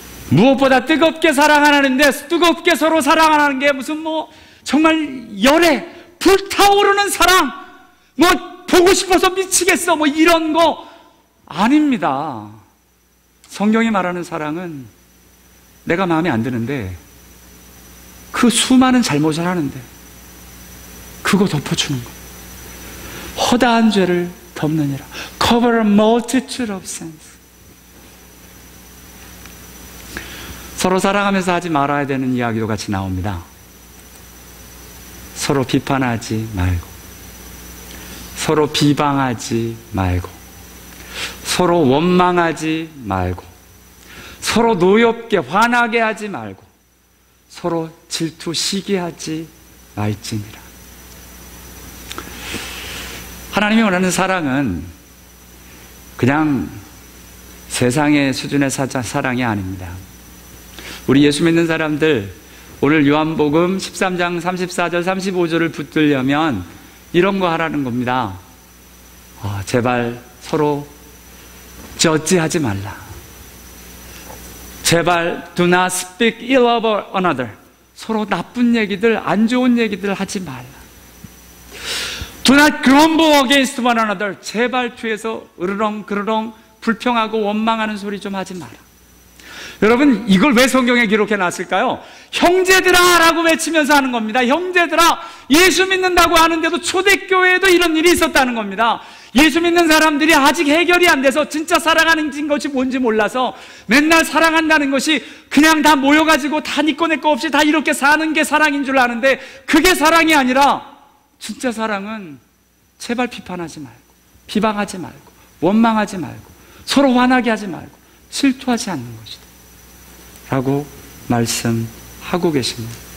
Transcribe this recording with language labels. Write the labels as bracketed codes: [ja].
[ko] 무엇보다 뜨겁게 사랑하는데, 뜨겁게 서로 사랑하는 게 무슨 뭐 정말 열에 불타오르는 사랑, 뭐 보고 싶어서 미치겠어 뭐 이런 거 아닙니다. 성경이 말하는 사랑은 내가 마음에 안 드는데, 그 수많은 잘못을 하는데 그거 덮어주는 거, 허다한 죄를 덮느니라. [en] Cover a multitude of sins. [ko] 서로 사랑하면서 하지 말아야 되는 이야기도 같이 나옵니다. 서로 비판하지 말고, 서로 비방하지 말고, 서로 원망하지 말고, 서로 노엽게 화나게 하지 말고, 서로 질투 시기하지 말지니라. 하나님이 원하는 사랑은 그냥 세상의 수준의 사랑이 아닙니다. 우리 예수 믿는 사람들 오늘 요한복음 13장 34절 35절을 붙들려면 이런 거 하라는 겁니다. 제발 서로 저지하지 말라. [en] 제발 do not speak ill of another. [ko] 서로 나쁜 얘기들, 안 좋은 얘기들 하지 말라. [en] do not grumble against one another. [ko] 제발 뒤에서 으르렁 그르렁 불평하고 원망하는 소리 좀 하지 마라. 여러분, 이걸 왜 성경에 기록해 놨을까요? 형제들아 라고 외치면서 하는 겁니다. 형제들아, 예수 믿는다고 하는데도 초대교회에도 이런 일이 있었다는 겁니다. 예수 믿는 사람들이 아직 해결이 안 돼서 진짜 사랑하는 것이 뭔지 몰라서 맨날 사랑한다는 것이 그냥 다 모여가지고 다 니 거 내 거 없이 다 이렇게 사는 게 사랑인 줄 아는데 그게 사랑이 아니라 진짜 사랑은 제발 비판하지 말고, 비방하지 말고, 원망하지 말고, 서로 화나게 하지 말고, 질투하지 않는 것이다 라고 말씀하고 계십니다.